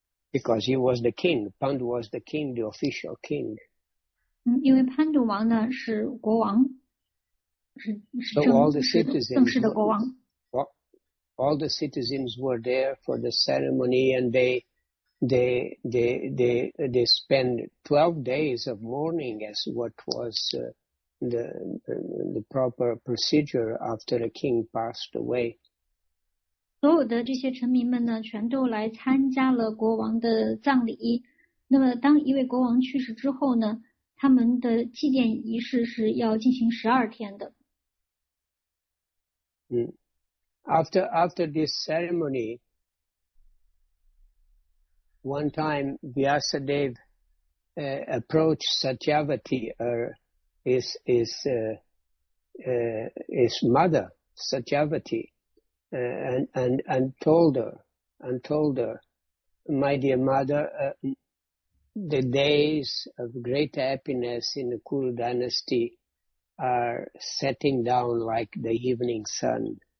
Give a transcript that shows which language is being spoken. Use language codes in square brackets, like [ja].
[en] Because he was the king, Pandu was the king, the official king. [zh] 因为潘杜王呢是国王，是正式的国王。 [en] All the citizens were there for the ceremony, and they spend 12 days of mourning as what was the proper procedure after a king passed away. [zh] 所有的这些臣民们呢全都来参加了国王的葬礼，那么当一位国王去世之后呢，他们的祭奠仪式是要进行12天的。 [en] After this ceremony, one time Vyasadev approached Satyavati, his mother, Satyavati,and told her, my dear mother, the days of great happiness in the Kuru dynasty are setting down like the evening sun.